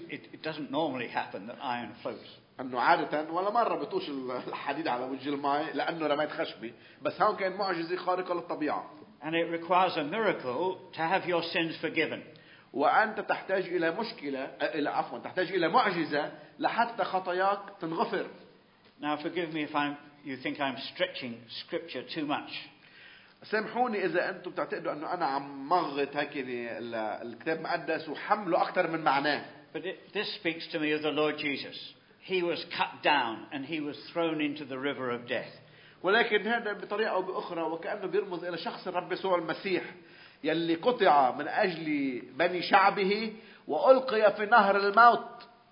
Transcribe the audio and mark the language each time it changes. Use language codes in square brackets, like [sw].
[en] It doesn't normally happen that iron floats. [ar] أنه عادة ولا مرة بتوش الحديد على وجه الماء لأنه رميت خشبي، بس هون كان معجزة خارقة للطبيعة. [en] And it requires a miracle to have your sins forgiven. [ar] وأنت تحتاج إلى مشكلة، إلى عفوا، تحتاج إلى معجزة لحتى خطاياك تنغفر. [en] Now forgive me if you think I'm stretching scripture too much. [ar] سامحوني إذا أنتم تعتقدوا أنه أنا عم مغط هيك الكتاب المقدس وحمله أكثر من معناه. [en] But this speaks to me of the Lord Jesus. He was cut down and he was thrown into the river of death. [ar] ولكن هذا بطريقة أو بأخرى وكأنه بيرمز إلى شخص الرب يسوع المسيح يلي قطع من أجل بني شعبه وألقي في نهر الموت.